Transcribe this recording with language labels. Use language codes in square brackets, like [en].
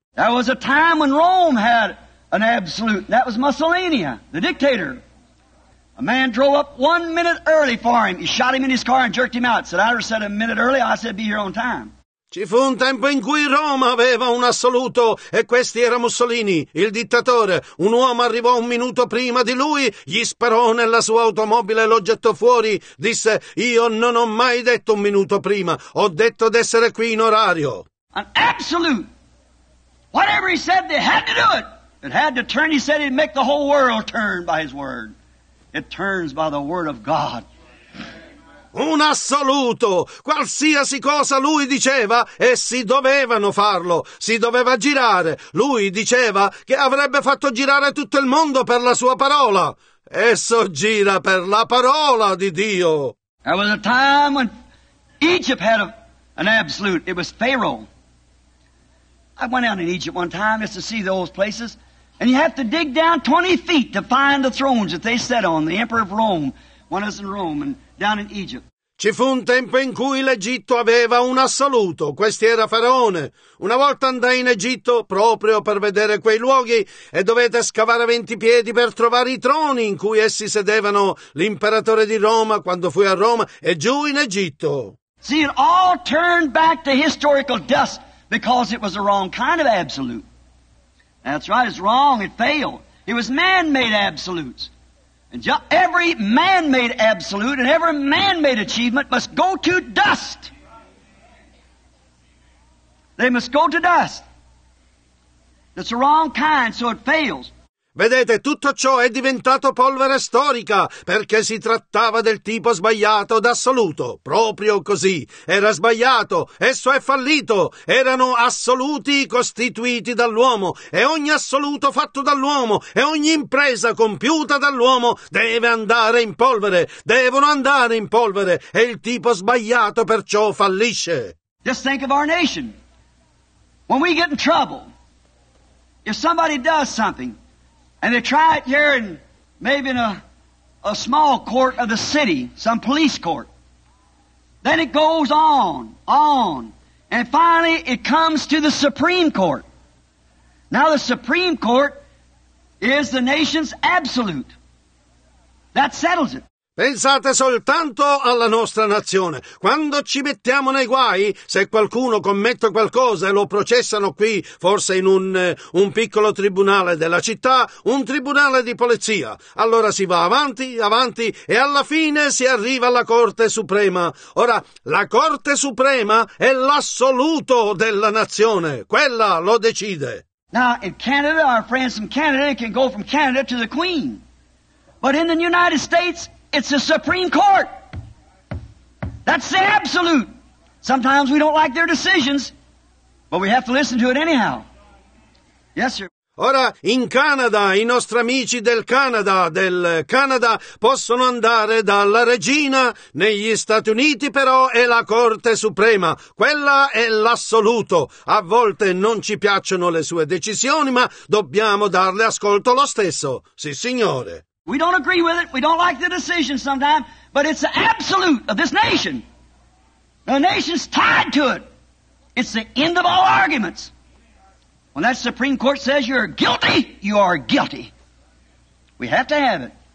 [en] There was a time when Rome had an absolute. That was Mussolini, the dictator. A man drove up 1 minute early for him. He shot him in his car and jerked him out. Said, I said a minute early, I said be here on time. [it] Ci fu un tempo in cui Roma aveva un assoluto e questi era Mussolini, il dittatore. Un uomo arrivò un minuto prima di lui, gli sparò nella sua automobile e lo gettò fuori. Disse, io non ho mai detto un minuto prima, ho detto d'essere qui in orario. [en] An absolute. Whatever he said, they had to do it. It had to turn. He said he'd make the whole world turn by his word. It turns by the word of God. [it] Un assoluto. Qualsiasi cosa lui diceva, essi dovevano farlo. Si doveva girare. Lui diceva che avrebbe fatto girare tutto il mondo per la sua parola. Esso gira per la parola di Dio. [en] There was a time when Egypt had an absolute. It was Pharaoh. I went out in Egypt one time just to see those places. And you have to dig down 20 feet to find the thrones that they sat on, the emperor of Rome, when I was in Rome and down in Egypt. [it] Ci fu un tempo in cui l'Egitto aveva un assoluto. Questi era Faraone. Una volta andai in Egitto proprio per vedere quei luoghi e dovete scavare 20 piedi per trovare i troni in cui essi sedevano l'imperatore di Roma quando fui a Roma e giù in Egitto. [en] See, it all turned back to historical dust. Because it was the wrong kind of absolute. That's right, it's wrong, it failed. It was man-made absolutes. And every man-made absolute and every man-made achievement must go to dust. They must go to dust. It's the wrong kind, so it fails. [it] Vedete, tutto ciò è diventato polvere storica perché si trattava del tipo sbagliato d'assoluto. Proprio così. Era sbagliato. Esso è fallito. Erano assoluti costituiti dall'uomo. E ogni assoluto fatto dall'uomo e ogni impresa compiuta dall'uomo deve andare in polvere. Devono andare in polvere. E il tipo sbagliato perciò fallisce. [en] Just think of our nation. When we get in trouble, if somebody does something, and they try it here in maybe in a small court of the city, some police court. Then it goes on, and finally it comes to the Supreme Court. Now the Supreme Court is the nation's absolute. That settles it. [it] Pensate soltanto alla nostra nazione. Quando ci mettiamo nei guai, se qualcuno commette qualcosa e lo processano qui, forse in un piccolo tribunale della città, un tribunale di polizia, allora si va avanti, e alla fine si arriva alla Corte Suprema. Ora, la Corte Suprema è l'assoluto della nazione. Quella lo decide. [en] Now, in Canada, our friends from Canada can go from Canada to the Queen. But in the United States, it's the Supreme Court. That's the absolute. Sometimes we don't like their decisions, but we have to listen to it anyhow. Yes, sir. [it] Ora, in Canada, i nostri amici del Canada, possono andare dalla regina. Negli Stati Uniti, però, è la Corte Suprema. Quella è l'assoluto. A volte non ci piacciono le sue decisioni, ma dobbiamo darle ascolto lo stesso. Sì, signore. [en] We don't agree with it. We don't like the decision sometimes, but it's the absolute of this nation. The nation's tied to it. It's the end of all arguments. When that Supreme Court says you're guilty, you are guilty. We have to have it.